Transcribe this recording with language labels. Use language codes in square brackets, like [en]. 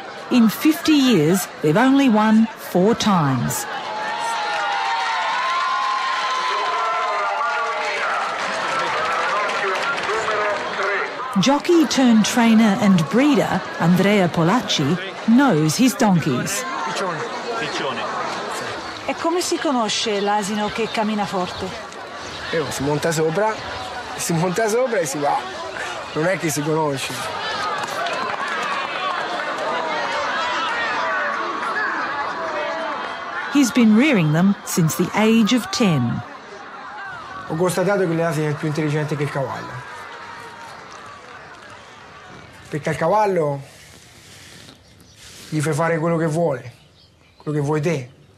[en] In 50 years, they've only won four times. Jockey-turned-trainer and breeder, Andrea Pollaci, knows his donkeys. [it] Piccione. Piccione. E come si conosce l'asino che cammina forte? Si monta sopra. Si monta sopra e si va. Non è che si conosce. [en] He's been rearing them since the age of 10. [it] Ho constatato che l'asino è più intelligente che il cavallo. Perché al cavallo gli fai fare quello che vuole, quello che vuoi te.